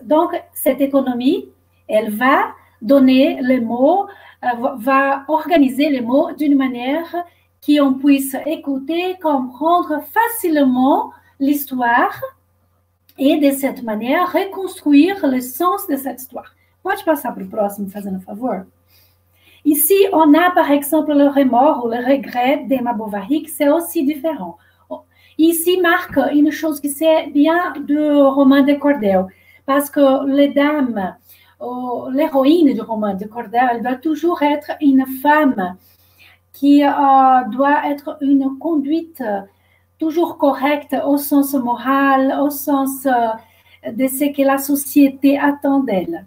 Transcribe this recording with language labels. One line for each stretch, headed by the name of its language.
French: Donc, cette économie, elle va donner les mots, va organiser les mots d'une manière qui on puisse écouter, comprendre facilement l'histoire et de cette manière reconstruire le sens de cette histoire.
Portuguese: Pode passar para o próximo, fazendo favor?
French: Ici, on a, par exemple, le remords ou le regret d'Emma Bovary, que c'est aussi différent. Ici, marque une chose qui c'est bien du roman de Cordel, parce que les dames, l'héroïne du roman de Cordel, elle doit toujours être une femme qui doit être une conduite toujours correcte au sens moral, au sens de ce que la société attend d'elle.